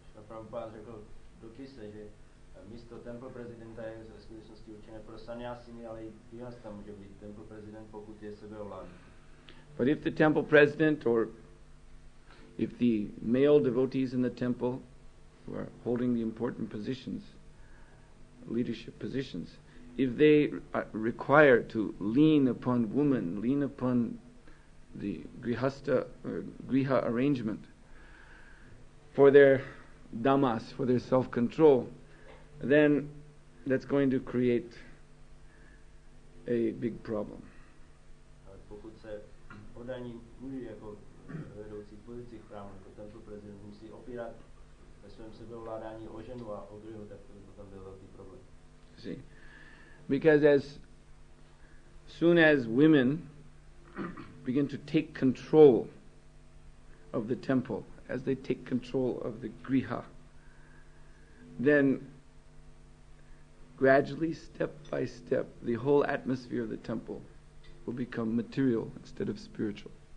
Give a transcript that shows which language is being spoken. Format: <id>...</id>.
<cs>Prabhupada řekl do písne, že místo temple prezidenta je ve skutečnosti určené pro sannyasiny, ale i grihasta může být temple president, pokud je sebeovládný.</cs> <en>But if the temple president or if the male devotees in the temple who are holding the important positions, leadership positions, if they require to lean upon women, lean upon the grihasta or griha arrangement for their dhammas, for their self-control, then that's going to create a big problem.</en> <cs>Pokud se oddaní muži jako vedoucí pozici v chrámu, jako tento prezident musí opírat ve svém sebeovládání o ženu a o griho, tak to by potom byl velký problém.</cs> <en>See. Because as soon as women begin to take control of the temple, as they take control of the griha, then gradually, step by step, the whole atmosphere of the temple will become material instead of spiritual.</en>